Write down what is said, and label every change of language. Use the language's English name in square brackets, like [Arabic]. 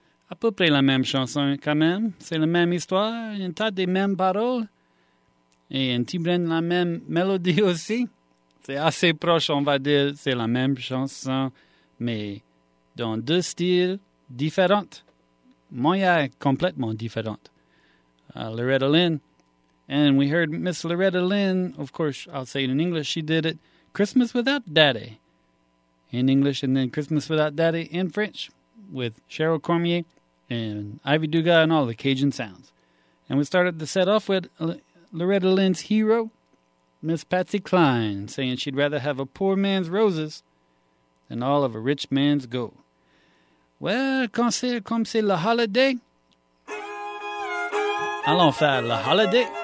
[French] À peu près la même chanson, quand même. C'est la même histoire, un tas de mêmes paroles, et un petit brin de la même mélodie aussi. C'est assez proche, on va dire, c'est la même chanson, mais dans deux styles différents. Moya est complètement différente. Loretta Lynn. [English] And we heard Miss Loretta Lynn, of course, I'll say it in English, she did it, Christmas Without Daddy in English, and then Christmas Without Daddy in French with Cheryl Cormier and Ivy Duga and all the Cajun sounds. And we started the set off with Loretta Lynn's hero, Miss Patsy Cline, saying she'd rather have a poor man's roses than all of a rich man's gold. [French] Well, quand c'est comme c'est la holiday, allons faire la holiday.